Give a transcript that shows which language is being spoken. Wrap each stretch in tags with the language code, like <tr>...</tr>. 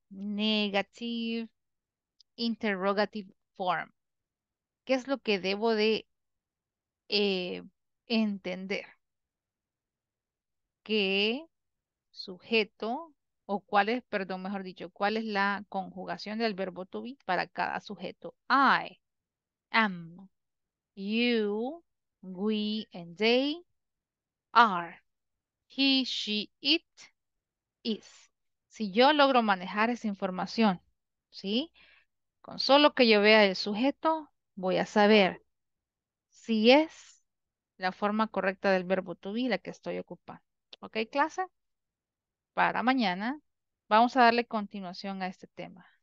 <en>Negative, interrogative form.</en> <es>¿Qué es lo que debo de entender? ¿Qué sujeto o cuál es, perdón, mejor dicho, cuál es la conjugación del verbo to be para cada sujeto?</es> <en>I, am, you, we, and they, are, he, she, it, is.</en> <es>Si yo logro manejar esa información, ¿sí? Con solo que yo vea el sujeto, voy a saber si es la forma correcta del verbo to be la que estoy ocupando. ¿Ok, clase? Para mañana vamos a darle continuación a este tema.</es>